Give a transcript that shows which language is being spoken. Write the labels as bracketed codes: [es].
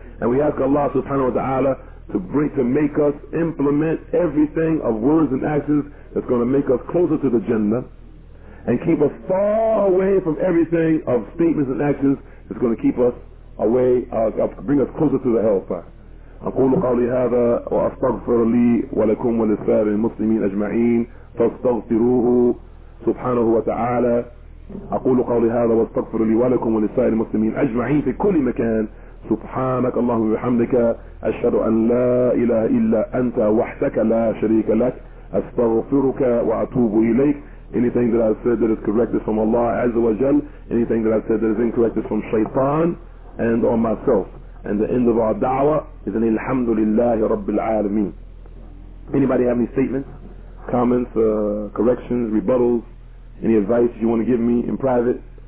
[en] And we ask Allah subhanahu wa ta'ala to make us implement everything of words and actions that's going to make us closer to the Jannah, and keep us far away from everything of statements and actions that's going to keep us away, bring us closer to the Hellfire. [ar] أقول قولي هذا وأستغفر لي ولكم وللسائر المسلمين أجمعين فاستغفروه سبحانه وتعالى. أقول قولي هذا واستغفر لي ولكم وللسائر المسلمين أجمعين في كل مكان. سبحانك اللهم وبحمدك أشهد أن لا إله إلا أنت وحدك لا شريك لك أستغفرك وأتوب إليك. [en] Anything that I've said that is correct is from Allah Azza wa Jal. Anything that I've said that is incorrect is from Shaytan and on myself. And the end of our da'wah is an Alhamdulillahi Rabbil Alameen. Anybody have any statements, comments, corrections, rebuttals, any advice you want to give me in private?